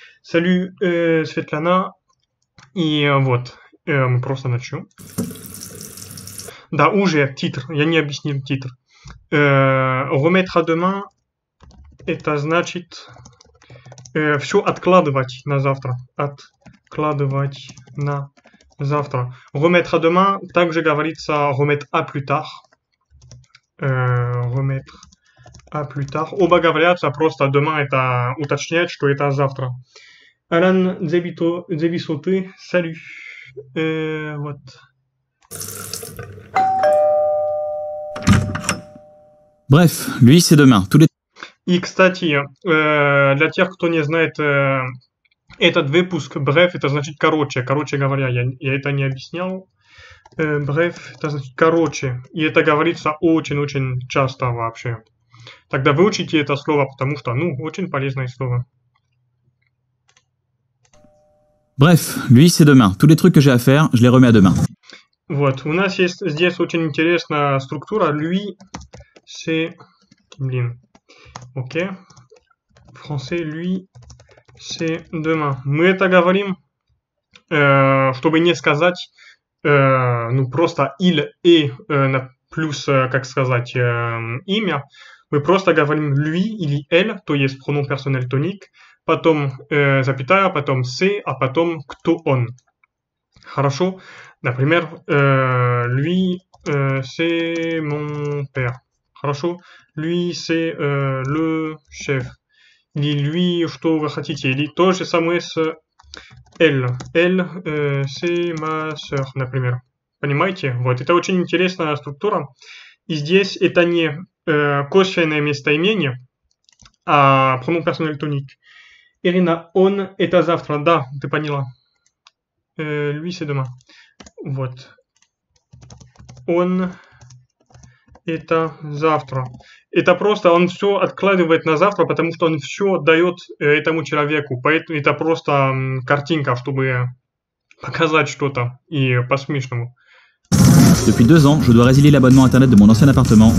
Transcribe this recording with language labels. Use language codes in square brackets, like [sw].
[ru] Салют, Светлана. И вот, мы просто начнем. Да, уже титр, я не объяснил титр. [fr] Remettre à demain, [ru] это значит все откладывать на завтра. Откладывать на завтра. [fr] Remettre à demain, [ru] также говорится [fr] remettre à plus tard. Remettre à plus tard. [ru] Оба говорят, ça просто demain, это уточняет, что это завтра. [fr] Alan Debisoté, salut. [ru] Вот. [fr] Bref, lui c'est demain. Tous les... [ru] И кстати, для тех, кто не знает, этот выпуск, бref, это значит короче. Короче говоря, я это не объяснял. Бреф, это значит короче. И это говорится очень-очень часто вообще. Тогда выучите это слово, потому что, очень полезное слово. [fr] Bref, lui c'est demain. Tous les trucs que j'ai à faire, je les remets à demain. [ru] Вот, у нас есть здесь очень интересная структура. [fr] Lui, c'est... [ru] Блин. [fr] Ok. Français, lui, c'est demain. [ru] Мы это говорим, чтобы не сказать, просто il et плюс, как сказать, имя. Мы просто говорим lui или elle, то есть [fr] pronom personnel [ru] тонique. Потом запятая, потом c, а потом кто он. Хорошо? Например, [fr] lui, c'est mon père. [ru] Хорошо? [fr] Lui, c'est le chef. [ru] Или lui, что вы хотите. Или то же самое с elle. [fr] Elle, c'est ma soeur, [ru] например. Понимаете? Вот, это очень интересная структура. И здесь это не косвенное местоимение, а pronom personnel тоник. [fr] Irina, on est à [ru] завтра. Да, ты поняла. [fr] Lui, c'est demain. [ru] Вот. Он это завтра. Это просто он все откладывает на завтра, потому что он все дает этому человеку. Поэтому это просто картинка, чтобы показать что-то и по-смешному. [fr] Depuis 2 ans, je dois résilier l'abonnement internet de mon ancien appartement.